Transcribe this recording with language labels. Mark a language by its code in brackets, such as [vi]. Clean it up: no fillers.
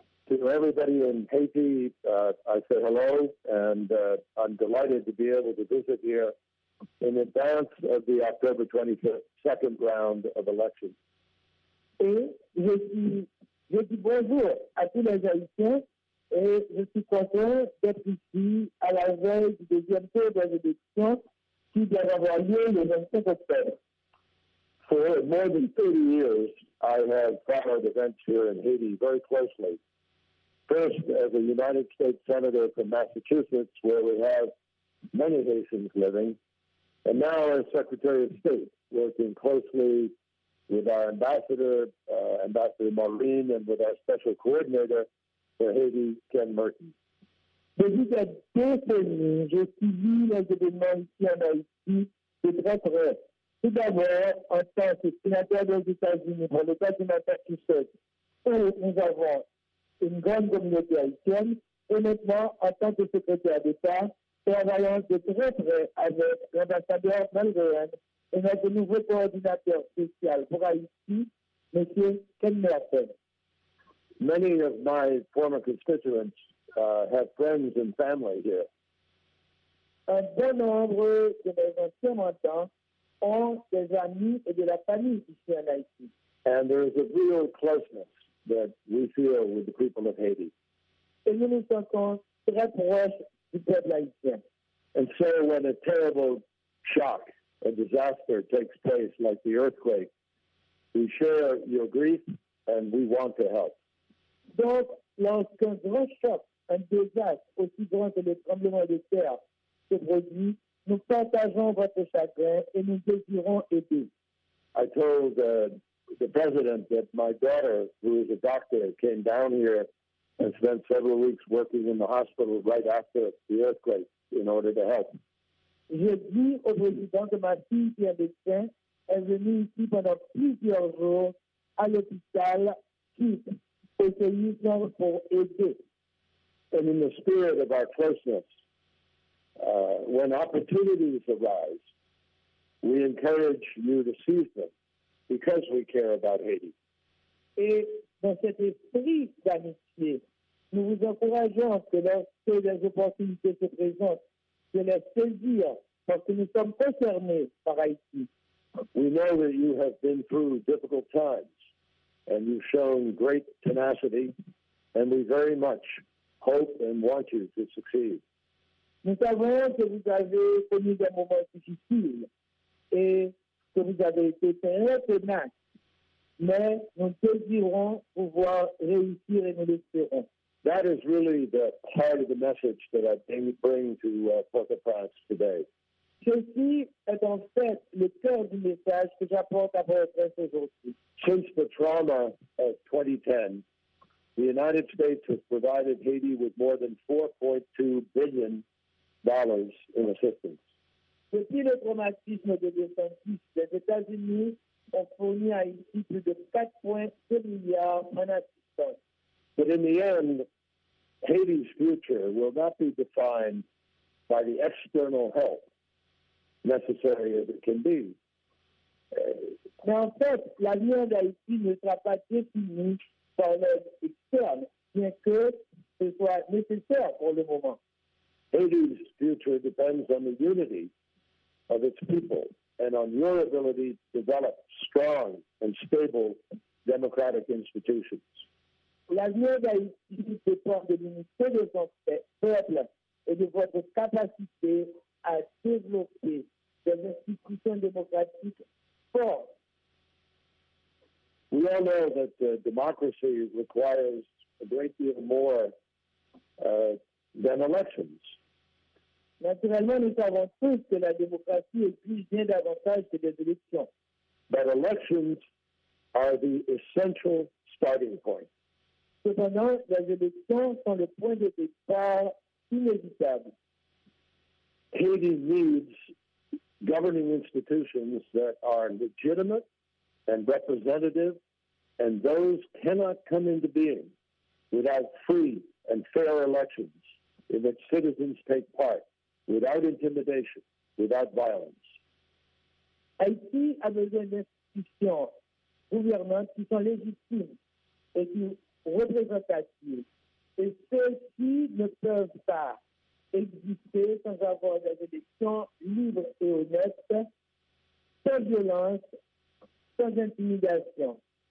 [en] To everybody in Haiti, I say hello, and I'm delighted to be able to visit here in advance of the October 22nd round of elections. [fr] Et je dis bonjour à tous les Haïtiens et je suis content d'être ici à la veille du deuxième tour des élections qui vient d'avoir lieu le 25 octobre. [en] For more than 30 years, I have followed events here in Haiti very closely. First, as a United States Senator from Massachusetts, where we have many Haitians living, And now our Secretary of State, working closely with our ambassador, Ambassador Marlene, and with our special coordinator for Haiti, Ken Merton. [fr] Mais vous êtes définis, je suis les événements ici en Haïti, c'est très vrai. Tout d'abord, en tant que sénateur des États-Unis, pour le cas de Massachusetts, où nous avons une grande communauté haïtienne, et maintenant, en tant que secrétaire d'État, travaillant de très près avec l'ambassadeur malgréen et notre nouveau coordinateur spécial pour Haïti, M. Ken Merton. [en] Many of my former constituents have friends and family here. [fr] Un bon nombre de mes anciens mandants ont des amis et de la famille ici en Haïti. [en] And there is a real closeness that we feel with the people of Haiti. [fr] Et nous nous sentons très proches du peuple haïtien. [en] And so when a terrible shock, a disaster takes place like the earthquake, we share your grief and we want to help. [fr] Donc, lorsqu'un grand choc, un désastre aussi grand que le tremblement de terre se produit, nous partageons votre chagrin et nous désirons aider. [en] I told the president that my daughter, who is a doctor, came down here and spent several weeks working in the hospital right after the earthquake in order to help. [fr] Je dis au président que ma fille, qui est un médecin, est venue ici pendant plusieurs jours à l'hôpital suite au séisme pour aider. [en] And in the spirit of our closeness, when opportunities arise, we encourage you to seize them because we care about Haiti. [fr] Et dans cet esprit d'amitié, nous vous encourageons que lorsque des opportunités se présentent, de les saisir parce que nous sommes concernés par Haïti. [en] We know that you have been through difficult times and you've shown great tenacity, and we very much hope and want you to succeed. [fr] Nous savons que vous avez connu des moments difficiles et que vous avez été très tenace, mais nous désirons pouvoir réussir et nous l'espérons. [en] That is really the part of the message that I bring to Port-au-Prince today. [fr] Ceci est en fait le cœur du message que j'apporte à Port-au-Prince aujourd'hui. [en] Since the trauma of 2010, the United States has provided Haiti with more than $4.2 billion in assistance. [fr] Depuis le traumatisme de 2010, les États-Unis ont fourni à Haïti plus de 4,2 milliards en assistance. [en] But in the end, Haiti's future will not be defined by the external help necessary as it can be. [fr] Mais en fait, l'avenir d'Haïti ne sera pas défini par l'aide externe, bien que ce soit nécessaire pour le moment. [en] Haiti's future depends on the unity of its people and on your ability to develop strong and stable democratic institutions. [fr] L'avenir d'Haïti dépend de l'unité de son peuple et de votre capacité à développer des institutions démocratiques fortes. [en] We all know that democracy requires a great deal more than elections. [fr] Naturellement, nous savons tous que la démocratie exige bien davantage que des élections. [en] But elections are the essential starting point. [fr] Cependant, les élections sont le point de départ inévitable. [en] Haiti needs governing institutions that are legitimate and representative, and those cannot come into being without free and fair elections in which citizens take part, without intimidation, without violence. [fr] Haiti a besoin d'institutions gouvernantes qui sont légitimes et qui représentatives. Et ceux-ci ne peuvent pas exister sans avoir des élections libres et honnêtes, sans violence, sans intimidation.